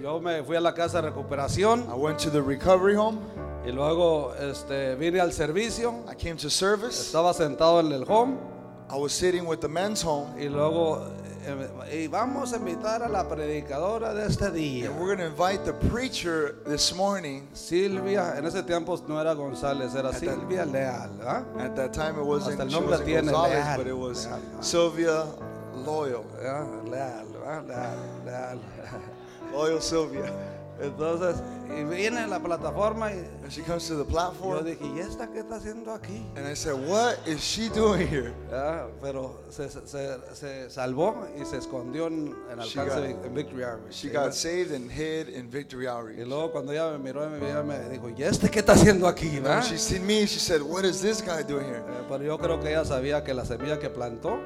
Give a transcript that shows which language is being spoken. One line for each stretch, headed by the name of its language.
Spanish: Yo me fui a la casa de recuperación.
English: I went to the recovery home.
Spanish: Y luego vine al servicio.
English: I came to service.
Spanish: Estaba sentado en el home.
English: I was sitting with the men's home.
Spanish: Y luego, vamos a invitar a la predicadora de este día.
English: And we're going to invite the preacher this morning.
Spanish: Silvia, en ese tiempo no era González, era Silvia Leal. ¿Eh?
English: At that time it wasn't, she wasn't González, but it was Leal, Sylvia Loyal. Yeah, Leal, Leal, Leal. Loyal Sylvia.
Spanish: Entonces, y viene la plataforma y,
English: and she comes to the platform.
Spanish: Yo dije, ¿y esta qué está haciendo aquí?
English: And I said, what is she doing here?
Spanish: Yeah, pero se salvó y se escondió en el alcance de Victory Outreach.
English: She got saved and hid in Victory Outreach.
Spanish: Y luego cuando ella me miró y me vio, me dijo, ¿y este qué está haciendo aquí?
English: And when she seen me, she said, what is this guy doing here?
Spanish: Pero yo creo que ella sabía que la semilla que plantó,